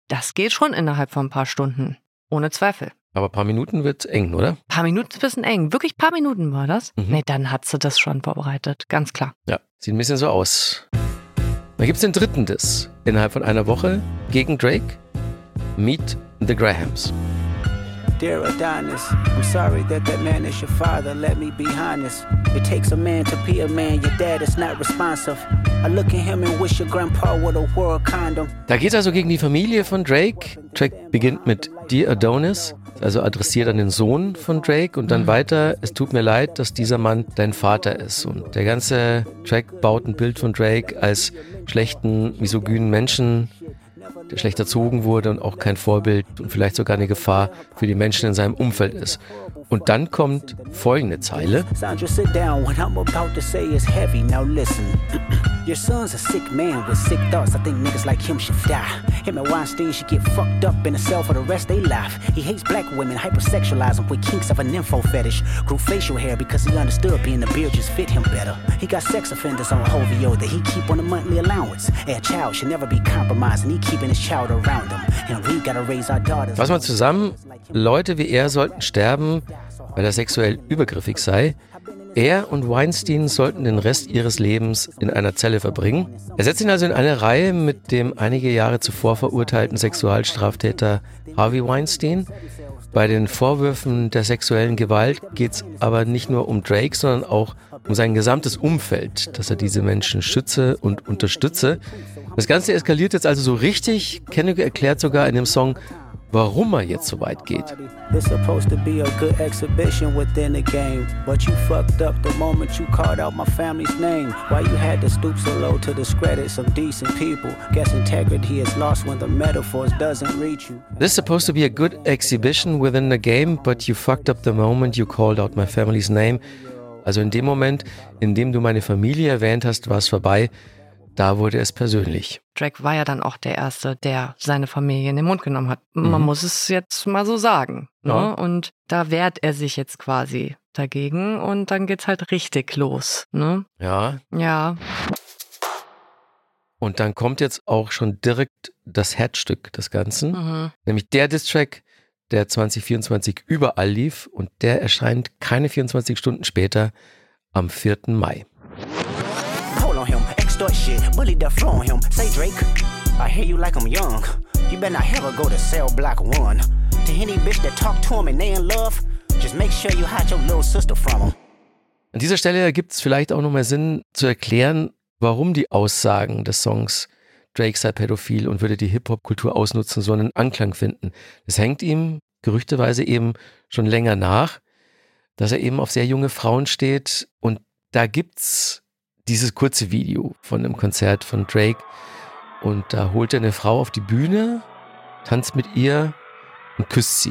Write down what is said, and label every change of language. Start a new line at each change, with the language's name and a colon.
German: Das geht schon innerhalb von ein paar Stunden, ohne Zweifel. Aber ein paar Minuten wird es eng, oder? Ein paar Minuten wird es eng. Wirklich ein paar Minuten war das? Mhm. Nee, dann hat sie das schon vorbereitet, ganz klar. Ja, sieht ein bisschen so aus. Da gibt es den dritten Diss innerhalb von einer Woche gegen Drake.
English: Meet the Grahams. Dear Adonis, I'm sorry that that man is your father. Let me be honest. It takes a man to be a man. Your dad is not responsive. I look at him and wish your grandpa would have wore a condom.
German: Da geht es also gegen die Familie von Drake. Drake beginnt mit Dear Adonis, also adressiert an den Sohn von Drake und dann weiter, es tut mir leid, dass dieser Mann dein Vater ist. Und der ganze Track baut ein Bild von Drake als schlechten, misogynen Menschen, der schlecht erzogen wurde und auch kein Vorbild und vielleicht sogar eine Gefahr für die Menschen in seinem Umfeld ist. Und dann kommt folgende Zeile.
English: Sandra, sit down. What I'm about to say is heavy. Now listen. Your son's a sick man with sick thoughts. I think niggas like him should die. Him and Weinstein should get fucked up in a cell for the rest of their life. He hates black women, hypersexualizing with kinks of an info fetish. Grew facial hair because he understood being a beard just fit him better. He got sex offenders on a HOVO that he keep on a monthly allowance. And a child should never be compromised and he keeping his child around him. And we gotta raise our daughters.
German: Fass mal zusammen. Leute wie er sollten sterben, weil er sexuell übergriffig sei. Er und Weinstein sollten den Rest ihres Lebens in einer Zelle verbringen. Er setzt ihn also in eine Reihe mit dem einige Jahre zuvor verurteilten Sexualstraftäter Harvey Weinstein. Bei den Vorwürfen der sexuellen Gewalt geht es aber nicht nur um Drake, sondern auch um sein gesamtes Umfeld, dass er diese Menschen schütze und unterstütze. Das Ganze eskaliert jetzt also so richtig. Kendrick erklärt sogar in dem Song, warum er jetzt so weit geht.
English: It's supposed to be a good exhibition within the game. But you fucked up the moment you called out my family's name. Why you had to stoop so low to discredit some decent people? Guess integrity is lost when the metaphors doesn't reach you. This supposed to be a good exhibition within the game, but you fucked up the moment you called out my family's name.
German: Also in dem Moment, in dem du meine Familie erwähnt hast, war es vorbei. Da wurde es persönlich. Drake war ja dann auch der Erste, der seine Familie in den Mund genommen hat. Man, mhm, muss es jetzt mal so sagen. Ne? Ja. Und da wehrt er sich jetzt quasi dagegen und dann geht's halt richtig los. Ne? Ja. Ja. Und dann kommt jetzt auch schon direkt das Herzstück des Ganzen. Mhm. Nämlich der Diss-Track, der 2024 überall lief und der erscheint keine 24 Stunden später am 4. Mai.
English: Shit, bully the flow on him. Say Drake, I hear you like I'm young. You better not ever go to cell block one. To any bitch that talk to him and they in love, just make sure you hide your little sister from him.
German: An dieser Stelle gibt es vielleicht auch nochmal Sinn zu erklären, warum die Aussagen des Songs Drake sei pädophil und würde die Hip-Hop-Kultur ausnutzen, so einen Anklang finden. Es hängt ihm gerüchteweise eben schon länger nach, dass er eben auf sehr junge Frauen steht und da gibt's dieses kurze Video von einem Konzert von Drake und da holt er eine Frau auf die Bühne, tanzt mit ihr und küsst sie.